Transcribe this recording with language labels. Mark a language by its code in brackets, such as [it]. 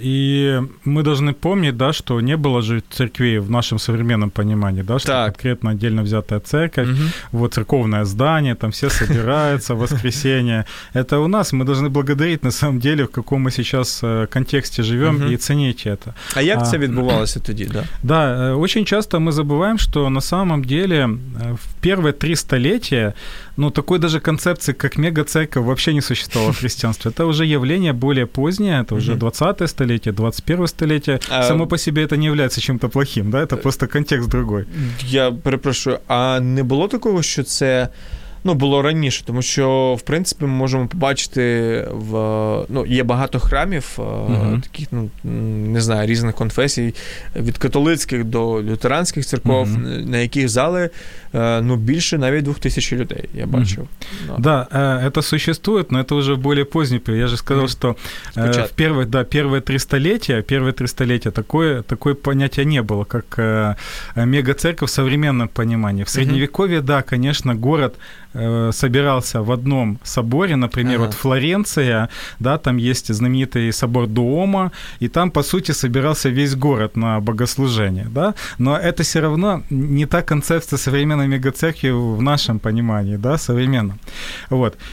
[uk] І ми повинні пам'ятати, да, що не було ж церкви в нашому сучасному розумінні, да, що конкретно віддільно взята церква, вот церковне здання, там все збираються, воскресіння. Це у нас. Ми повинні благодарити, [ru] на самом деле, [uk] в якому ми зараз контексті живемо і цінити це. А як це відбувалося тоді? Так, [ru] да? Очень часто мы забываем, что на самом деле в первые три столетия, ну, такой даже концепции, как мега-церковь, вообще не существовало в христианстве. Это уже явление более позднее, это уже 20-е столетие, 21-е столетие. Само по себе это не является чем-то плохим, да, это просто контекст другой. [uk] Я перепрошу, а не было такого, что это ну, було раніше, тому що, в принципі, ми можемо побачити, в, ну, є багато храмів, таких, ну, не знаю, різних конфесій, від католицьких до лютеранських церков, на яких зали, ну, більше навіть 2000 людей, я бачив. [ru] Да, это существует, но это уже более поздний период. Я же сказал, что в первые, да, первые три столетия такое понятие не было, как мега-церковь в современном понимании. В средневековье, да, конечно, город собирался в одном соборе, например, вот Флоренция, да, там есть знаменитый собор Дуомо, и там, по сути, собирался весь город на богослужение, да, но это все равно не та концепция современной мегацеркви в нашем понимании, да, современном. Вот.